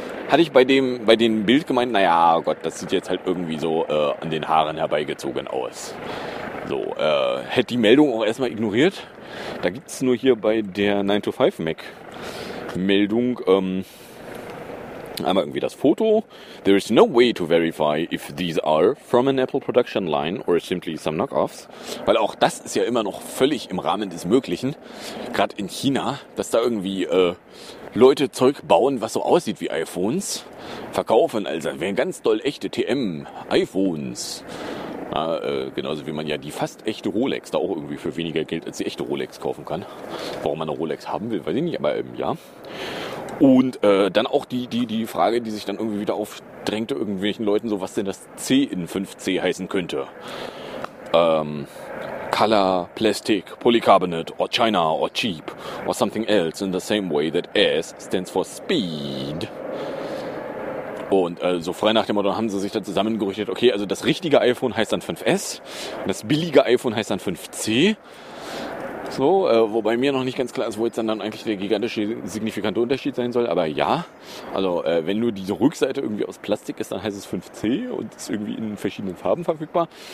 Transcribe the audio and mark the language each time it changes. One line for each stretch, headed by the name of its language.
German: hatte ich bei dem Bild gemeint, naja, oh Gott, das sieht jetzt halt irgendwie so an den Haaren herbeigezogen aus. So, hätte die Meldung auch erstmal ignoriert. Da gibt es nur hier bei der 9to5Mac-Meldung einmal irgendwie das Foto.
English: There is no way to verify if these are from an Apple production line or simply some knockoffs.
German: Weil auch das ist ja immer noch völlig im Rahmen des Möglichen, gerade in China, dass da irgendwie Leute Zeug bauen, was so aussieht wie iPhones, verkaufen, also wären ganz doll echte TM-iPhones. Genauso wie man ja die fast echte Rolex da auch irgendwie für weniger Geld als die echte Rolex kaufen kann. Warum man eine Rolex haben will, weiß ich nicht, aber ja. Und dann auch die Frage, die sich dann irgendwie wieder aufdrängte irgendwelchen Leuten, so was denn das C in 5C heißen könnte.
English: Color, Plastic, Polycarbonate, or China, or cheap, or something else in the same way that S stands for speed.
German: Und so frei nach dem Motto haben sie sich da zusammengerichtet, okay, also das richtige iPhone heißt dann 5S, das billige iPhone heißt dann 5C. So, wobei mir noch nicht ganz klar ist, wo jetzt dann eigentlich der gigantische, signifikante Unterschied sein soll. Aber ja, also wenn nur diese Rückseite irgendwie aus Plastik ist, dann heißt es 5C und ist irgendwie in verschiedenen Farben verfügbar.